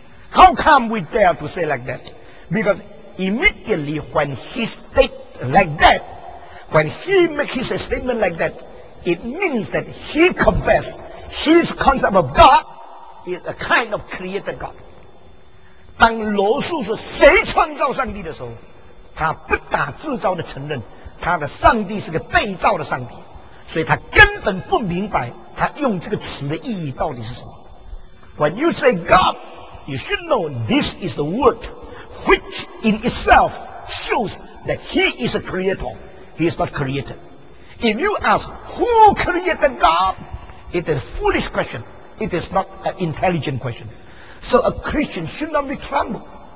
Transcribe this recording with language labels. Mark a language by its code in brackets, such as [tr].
[en] How come we dare to say like that? Because immediately when he state like that, when he make his statement like that, it means that he confessed his concept of God is a kind of created God. [zh] 当罗素说谁创造上帝的时候，他不打自招的承认他的上帝是个被造的上帝，所以他根本不明白他用这个词的意义到底是什么。 [en] When you say God, you should know this is the word which in itself shows that He is a creator. He is not created. If you ask who created God, it is a foolish question. It is not an intelligent question. So a Christian should not be trembled.